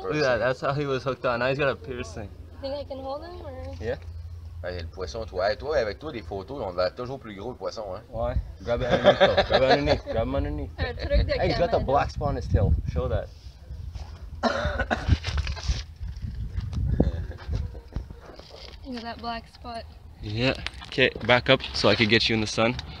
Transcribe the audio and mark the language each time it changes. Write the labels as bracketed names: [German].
[English] Look at that, that's how he was hooked on. Now he's got a piercing. You think I can hold him or? Yeah. [French] Toi, avec toi, les photos, on a toujours plus gros le poisson, hein? [English] Why? Grab it underneath. Grab it underneath. Grab him underneath. Hey, he's got the black spot on his tail. Show that. You got that black spot. Yeah. Okay, back up so I can get you in the sun.